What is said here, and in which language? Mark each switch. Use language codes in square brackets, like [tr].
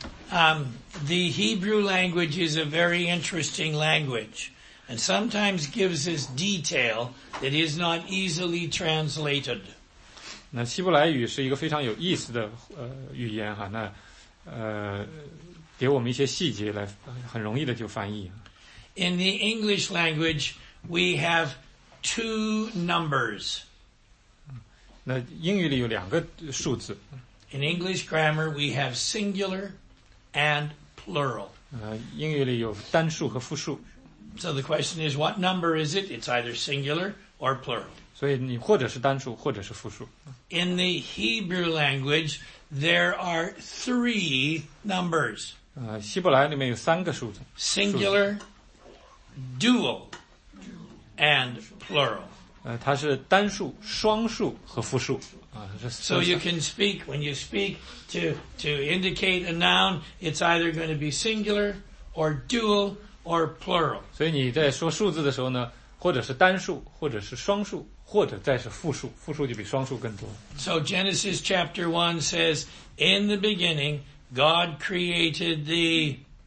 [en] The Hebrew language is a very interesting language and sometimes gives us detail that is not easily translated. [zh] 那希伯来语是一个非常有意思的语言哈，那给我们一些细节来很容易的就翻译。 [en] In the English language, we have two numbers. [zh] 那英语里有两个数字。 [en] In English grammar, we have singular and plural. [zh] 英语里有单数和复数。 [en] So the question is, what number is it? It's either singular or plural. [zh] 所以你或者是单数或者是复数。 [en] In the Hebrew language, there are three numbers. [zh] 希伯来里面有三个数字。 [en] Singular, dual, and plural. [zh] 它是单数、双数和复数。 [en] So you can speak, when you speak to indicate a noun, it's either going to be singular or dual or plural. [zh] 所以你在说数字的时候呢，或者是单数，或者是双数，或者再是复数，复数就比双数更多。 [en] So Genesis chapter 1 says, in the beginning, God created the...